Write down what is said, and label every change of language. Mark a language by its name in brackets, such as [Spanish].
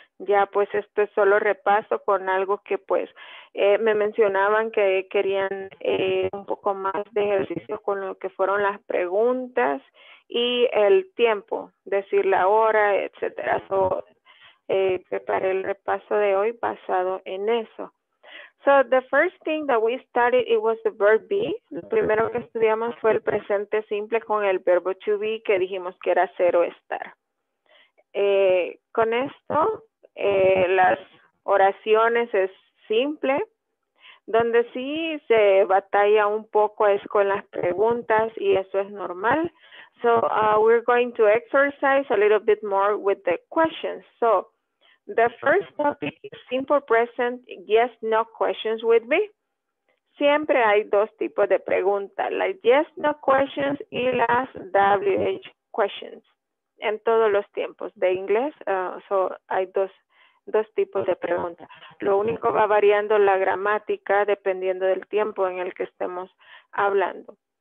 [Spanish] Ya, pues, esto es solo repaso con algo que, pues, me mencionaban que querían un poco más de ejercicio con lo que fueron las preguntas y el tiempo, decir la hora, etcétera. So, preparé el repaso de hoy basado en eso. [English] So, the first thing that we studied, it was the verb be. [Spanish] Lo primero que estudiamos fue el presente simple con el verbo to be, que dijimos que era ser o estar. Con esto, las oraciones es simple. Donde sí se batalla un poco es con las preguntas y eso es normal. [English] So, we're going to exercise a little bit more with the questions. So, the first topic is simple present, yes, no questions with me. [Spanish] Siempre hay dos tipos de preguntas, las yes, no questions y las WH questions. En todos los tiempos de inglés, so hay dos tipos de preguntas. Lo único va variando la gramática dependiendo del tiempo en el que estemos hablando.